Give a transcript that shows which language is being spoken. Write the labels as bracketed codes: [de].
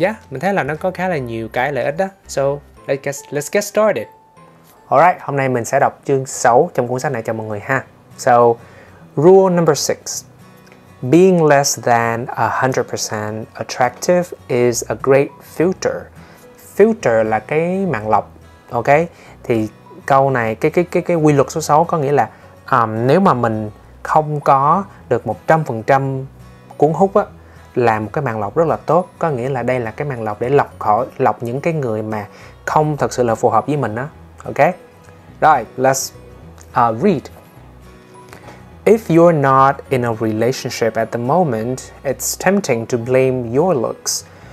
[vi] Mình thấy là nó có khá là nhiều cái lợi ích đó. So, let's get started. Alright, hôm nay mình sẽ đọc chương 6 trong cuốn sách này cho mọi người ha. [en] So, rule number 6. Being less than 100% attractive is a great filter. [vi] Filter là cái màng lọc, ok? Thì câu này, cái quy luật số 6 có nghĩa là nếu mà mình không có được 100% cuốn hút á, là một cái màng lọc rất là tốt, có nghĩa là đây là cái màng lọc để lọc những cái người mà không thật sự là phù hợp với mình đó. [en] Ok, rồi let's read. If you're not in a relationship at the moment, it's tempting to blame your looks.